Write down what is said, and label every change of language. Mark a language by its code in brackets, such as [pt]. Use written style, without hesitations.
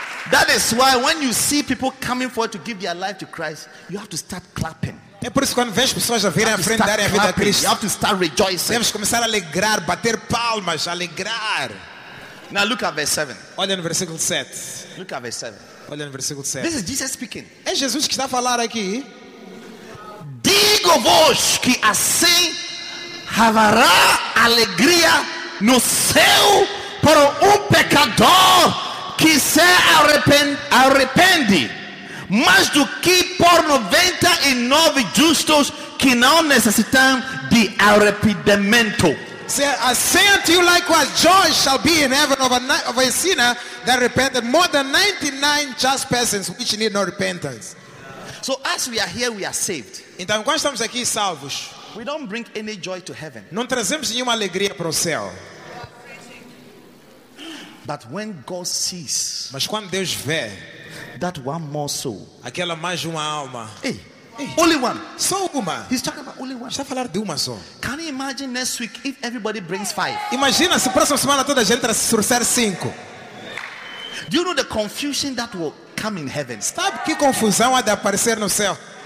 [en] That is why when you see people coming forward to give their life to Christ, you have to start clapping. [pt] É por isso que quando vês pessoas a virem à frente darem a vida a Cristo, [en] you have to start rejoicing. [pt] Temos que começar a alegrar, bater palmas, alegrar. [en] Now look at verse 7. [pt] Olha no versículo 7. [en] Look at verse 7. [pt] Olha no versículo 7. [en] This is Jesus speaking. [pt] É Jesus que está a falar aqui. Digo-vos que assim haverá alegria no céu por pecador que se arrepende, mais do que por 99 justos que não necessitam de arrependimento. [en] Say unto you likewise, joy shall be in heaven over a sinner that repented, more than 99 just persons which need no repentance. So as we are here, we are saved. [pt] Então, quando estamos aqui salvos, [en] we don't bring any joy to heaven. [pt] Não trazemos nenhuma alegria para o céu. [en] But when God sees, [pt] mas quando Deus vê, [en] that one more soul, [pt] aquela mais uma alma, [en] hey, only one, [pt] só uma. [en] He's talking about only one. [pt] Está a falar de uma só. [en] Can you imagine next week if everybody brings five? [pt] Imagina se próxima semana toda a gente trouxer cinco. [en] Do you know the confusion that will come in heaven? [pt] Sabe que confusão há de aparecer no céu?